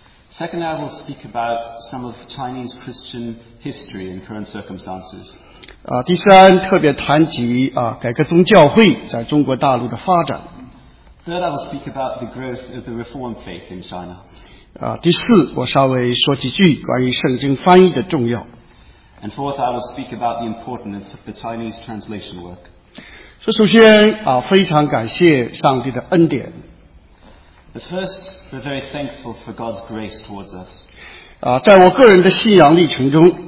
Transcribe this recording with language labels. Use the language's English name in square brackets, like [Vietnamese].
[English] Second, I will speak about some of Chinese Christian history and current circumstances. [Chinese] 第三，特别谈及改革宗教会在中国大陆的发展。 [English] Third, I will speak about the growth of the Reform faith in China. [Chinese] 第四，我稍微说几句关于圣经翻译的重要。 [English] And fourth, I will speak about the importance of the Chinese translation work. [Chinese] 首先，非常感谢上帝的恩典。 [English] But first, we're very thankful for God's grace towards us. [Chinese] 在我个人的信仰历程中，